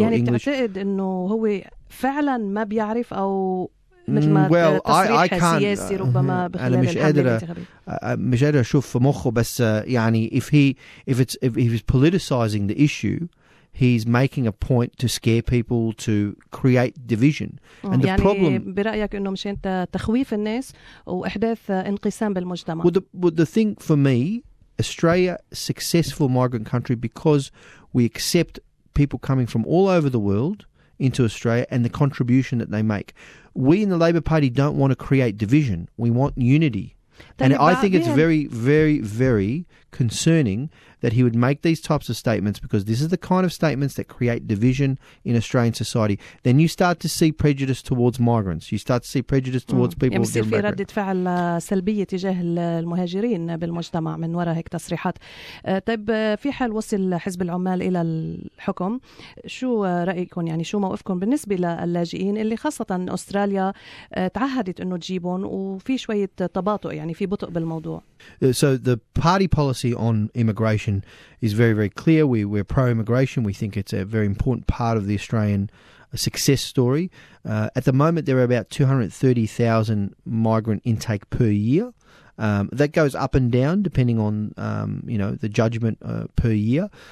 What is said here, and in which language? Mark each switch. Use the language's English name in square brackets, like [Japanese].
[Arabic] يعني [English] or English. [Arabic] يعني تعتقد إنه هو فعلاً ما بيعرف أو مثل ما تصريحه سياسي ربما بخلال الحملة الانتخابية. مش قادر أشوف في مخه, بس يعني [English] if he's politicizing the issue, he's making a point to scare people, to create division. And the problem, [Arabic] برأيك إنه مش أنت تخويف الناس وإحداث انقسام بالمجتمع. [English] Well, the thing for me, Australia, successful migrant country because we accept people coming from all over the world into Australia and the contribution that they make. We in the Labor Party don't want to create division. We want unity. And I think it's very, very, very concerning that he would make these types of statements, because this is the kind of statements that create division in Australian society. Then you start to see prejudice towards migrants. You start to see prejudice towards people with different backgrounds. [Arabic] يصير في ردة فعل سلبية تجاه المهاجرين بالمجتمع من وراء هيك تصريحات. طيب في حال وصل حزب العمال إلى الحكم, شو رأيكم يعني شو موقفكم بالنسبة للاجئين اللي خاصة أستراليا تعهدت إنه تجيبهم وفي شوية تباطؤ يعني في بطء بالموضوع؟ [English] So the party policy on immigration is very, very clear. We're pro-immigration. We think it's a very important part of the Australian success story. At the moment, there are about 230,000 migrant intake per year. That goes up and down depending on, you know, the judgment per year.